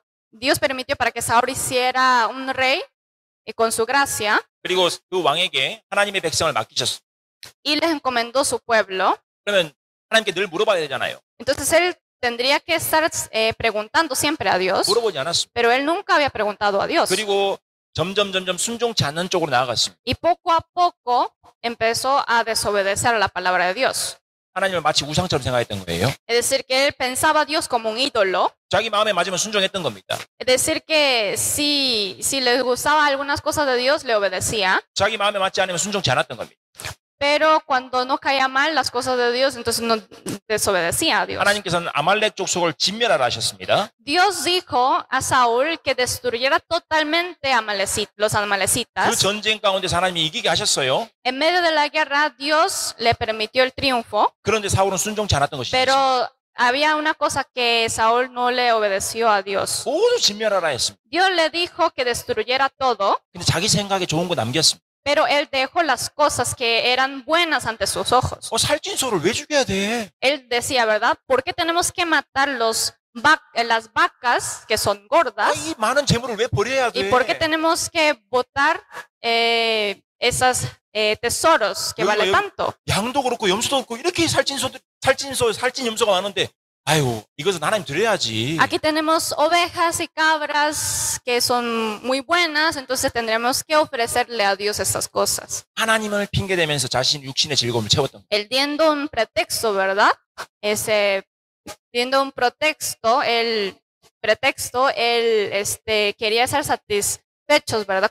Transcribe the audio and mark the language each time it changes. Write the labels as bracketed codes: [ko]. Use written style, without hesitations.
[es] Dios permitió para que Saúl hiciera un rey. Y con su gracia, [ko] 그리고 그 왕에게 하나님의 백성을 맡기셨어. [es] Y les encomendó su pueblo. [ko] 그러면 하나님께 늘 물어봐야 되잖아요. [es] Entonces él tendría que estar preguntando siempre a Dios. [ko] 물어보지 않았어. [es] Pero él nunca había preguntado a Dios. [ko] 그리고 점점 순종치 않는 쪽으로 나아갔습니다. [es] Y poco a poco empezó a desobedecer a la palabra de Dios. [ko] 하나님을 마치 우상처럼 생각했던 거예요. [es] Es decir que él pensaba a Dios como un ídolo. [ko] 자기 마음에 맞으면 순종했던 겁니다. [es] Es decir que si le gustaba algunas cosas de Dios le obedecía. [ko] 자기 마음에 맞지 않으면 순종치 않았던 겁니다. [es] Pero cuando no caía mal las cosas de Dios entonces no desobedecía a Dios. [ko] 하나님께서는 아말렉 족속을 진멸하라 하셨습니다. [es] Dios dijo a Saúl que destruyera totalmente a los amalecitas. [ko] 그 전쟁 가운데 하나님이 이기게 하셨어요. [es] En medio de la guerra Dios le permitió el triunfo. [ko] 그런데 사울은 순종치 않았던 것이죠. [es] Pero había una cosa que Saúl no le obedeció a Dios. [ko] 모두 진멸하라 했습니다. [es] Dios le dijo que destruyera todo. [ko] 근데 자기 생각에 좋은 거 남겼습니다. [es] Pero él dejó las cosas que eran buenas ante sus ojos. [ko] 살찐 소를 왜 죽여야 돼? [es] Él decía, ¿verdad? ¿Por qué tenemos que matar las vacas que son gordas? [ko] 이 많은 재물을 왜 버려야 돼? [es] ¿Y por qué tenemos que botar esas tesoros que vale tanto? [ko] 양도 그렇고 염소도 그렇고 이렇게 살찐 염소가 많은데 아이고, 이것은 하나님 드려야지. [es] Aquí tenemos ovejas y cabras que son muy buenas, entonces tendremos que ofrecerle a Dios estas cosas. [ko] 하나님을 핑계 대면서 자신 육신의 즐거움을 채웠던. [es] El dando un pretexto, ¿verdad? Ese dando un pretexto, el pretexto, el quería ser satisfechos, ¿verdad?